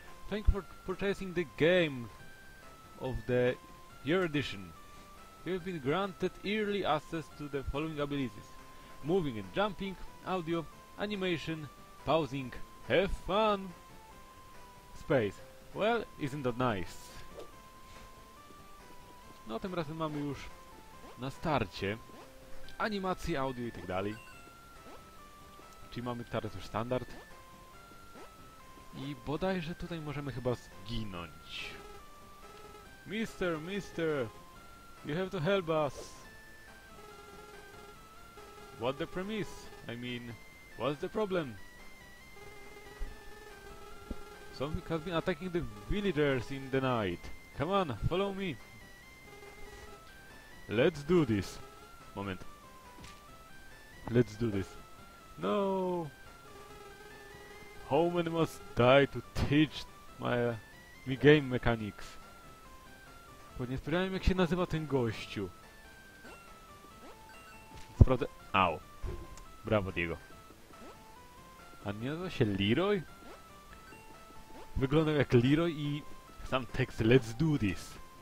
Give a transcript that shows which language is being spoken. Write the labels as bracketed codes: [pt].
[en] Thank you for purchasing the game of the year edition. You have been granted early access to the following abilities. Moving and jumping, audio, animation, pausing, have fun, space. Well, isn't that nice? [pl] No, tym razem mamy już na starcie animacje, audio i tak dalej. Czyli mamy teraz już standard. I bodajże tutaj możemy chyba zginąć. [en] Mister, you have to help us. What the premise? I mean, what's the problem? Something has been attacking the villagers in the night. Come on, follow me. Let's do this. Moment. Let's do this. No! Homan must die to teach me game mechanics. [pl] Bo nie spodziewałem, jak się nazywa ten gościu. Sprawdzę. Au. Brawo, Diego. A nie nazywa się Leroy? Wyglądał jak Leroy i sam tekst [en] Let's do this.